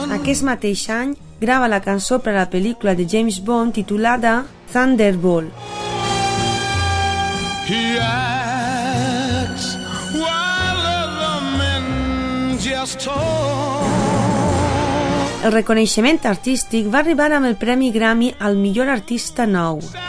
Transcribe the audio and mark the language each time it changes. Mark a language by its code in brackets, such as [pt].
[ca] Aquest mateix any grava la cançó per a la pel·lícula de James Bond titulada Thunderball. [en] He acts while the men just talk. [ca] El reconeixement artístic va arribar amb el Premi Grammy al millor artista nou.